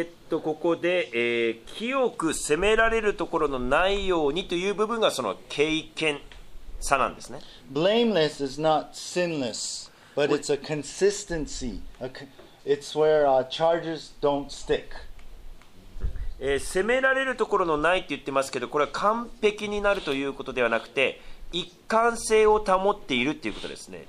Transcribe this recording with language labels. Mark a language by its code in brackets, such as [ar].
[ja] ここで、清く責められるところのないようにという部分がその経験さなんですね。 [en] Blameless is not sinless, but it's a consistency. It's where charges don't stick. [ja] 責められるところのないって言ってますけど、これは完璧になるということではなくて、一貫性を保っているということですね。